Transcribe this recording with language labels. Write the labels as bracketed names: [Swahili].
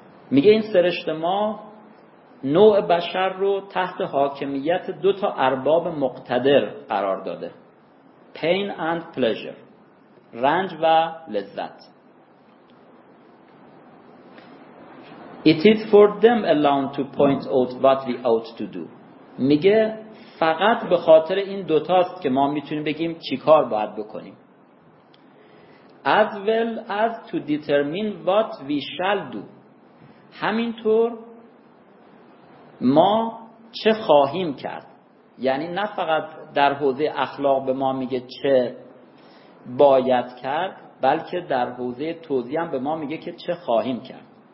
[Persian] میگه این سرشت ما نوع بشر رو تحت حاکمیت دو تا ارباب مقتدر قرار داده، [English] pain and pleasure، [Persian] رنج و لذت. [English] It is for them alone to point out what we ought to do. [Persian] میگه فقط به خاطر این دو تاست که ما میتونیم بگیم چیکار باید بکنیم. [English] As well as to determine what we shall do. [Persian] همینطور ما چه خواهیم کرد، یعنی نه فقط در حوزه اخلاق به ما میگه چه باید کرد، بلکه در حوزه توزیع هم به ما میگه که چه خواهیم کرد.